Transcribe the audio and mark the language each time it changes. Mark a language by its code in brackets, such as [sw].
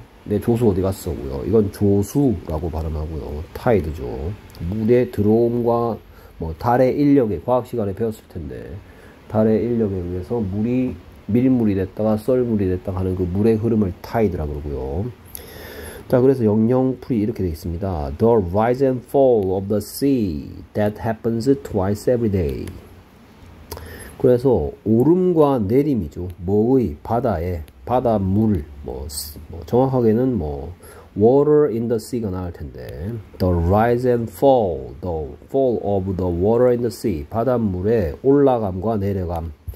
[ko] 내 조수 어디 갔어고요? 이건 조수라고 발음하고요. 타이드죠. 물의 들어옴과 뭐 달의 인력에 과학 시간에 배웠을 텐데 달의 인력에 의해서 물이 밀물이 됐다가 썰물이 됐다가 하는 그 물의 흐름을 타이드라 그러고요. 자, 그래서 영영풀이 이렇게 되어 있습니다. [en] The rise and fall of the sea that happens twice every day. [ko] 그래서 오름과 내림이죠. 뭐의 바다에 바닷물 뭐 정확하게는 뭐 [en] water in the sea [ko] 가 나올 텐데 [en] the rise and fall, the fall of the water in the sea [ko] 바닷물의 올라감과 내려감.